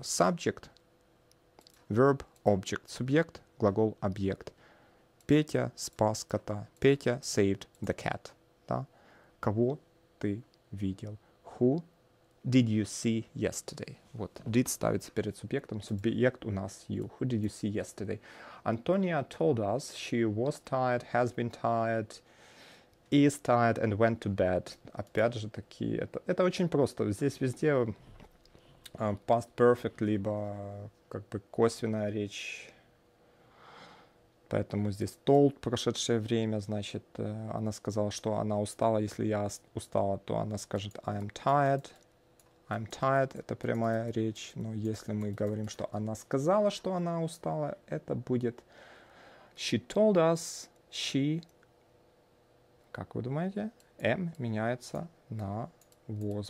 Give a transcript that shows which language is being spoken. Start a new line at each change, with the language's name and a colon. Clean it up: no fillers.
English: Subject – verb – object.
Russian: Субъект – глагол – объект. Петя спас кота. Петя
English: saved the cat.
Russian: Да? Кого ты видел?
English: Who did you see yesterday?
Russian: Вот, did ставится перед субъектом. Субъект у нас
English: you. Who did you see yesterday? Antonia told us she was tired, has been tired, is tired and went to bed.
Russian: Опять же таки, это очень просто. Здесь везде past perfect, либо как бы косвенная речь. Поэтому здесь told, прошедшее время, значит, она сказала, что она устала. Если я устала, то она скажет
English: I am tired. I'm tired
Russian: – это прямая речь, но если мы говорим, что она сказала, что она устала, это будет
English: she told us, she,
Russian: как вы думаете, am меняется на was.